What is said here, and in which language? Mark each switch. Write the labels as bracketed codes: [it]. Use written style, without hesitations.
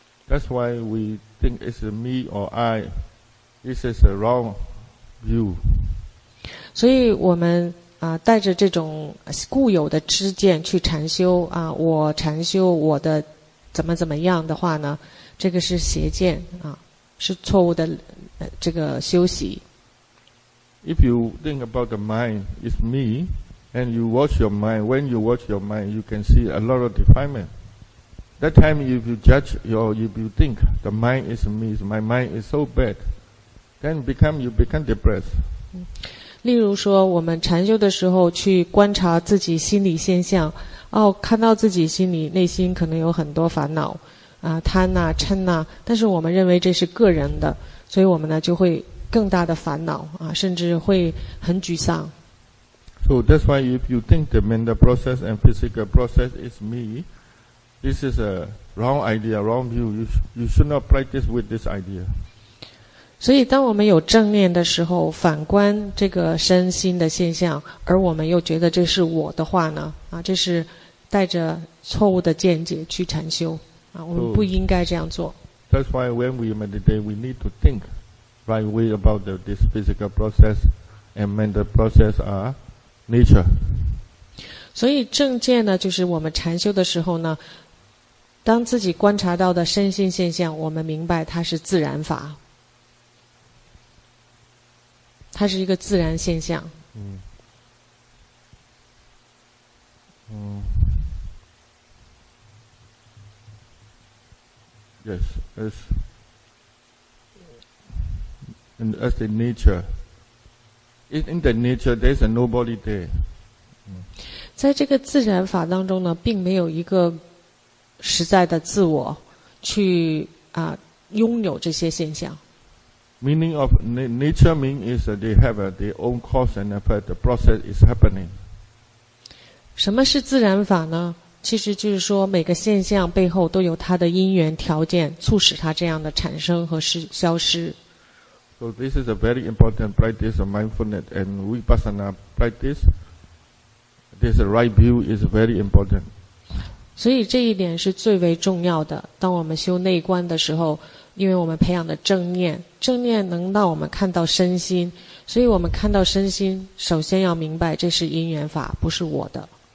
[en] That's why we think it's me or I. This is a wrong view. [zh] 所以我们啊，带着这种固有的知见去禅修啊，我禅修我的怎么怎么样的话呢？这个是邪见啊，是错误的这个修习。 [en] If you think about the mind, it's me, and you watch your mind. When you watch your mind, you can see a lot of defilement. That time, if you judge your, if you think the mind is me, my mind is so bad, then you become depressed. [zh] 例如说，我们禅修的时候去观察自己心理现象，哦，看到自己心里内心可能有很多烦恼。啊，贪呐、啊，嗔呐、啊，但是我们认为这是个人的，所以我们呢就会更大的烦恼啊，甚至会很沮丧。 [en] So that's why if you think the mental process and physical process is me, this is a wrong idea, wrong view. You should not practice with this idea. [zh] 所以，当我们有正念的时候，反观这个身心的现象，而我们又觉得这是我的话呢，啊，这是带着错误的见解去禅修。我们不应该这样做。 [en] So, that's why when we meditate, we need to think right way about this physical process and mental process are nature. [zh] 所以正见呢，就是我们禅修的时候呢，当自己观察到的身心现象，我们明白它是自然法，它是一个自然现象。 [en] Yes, as the nature. In the nature, there's a nobody there. [zh] 在这个自然法当中呢，并没有一个实在的自我去啊拥有这些现象。 [en] Meaning of nature means is that they have their own cause and effect. The process is happening. [zh] 什么是自然法呢？其实就是说，每个现象背后都有它的因缘条件，促使它这样的产生和消失。 [en] So this is a very important practice of mindfulness and vipassana practice. This right view is very important. [zh] 所以这一点是最为重要的。当我们修内观的时候，因为我们培养的正念，正念能让我们看到身心，所以我们看到身心，首先要明白这是因缘法，不是我的。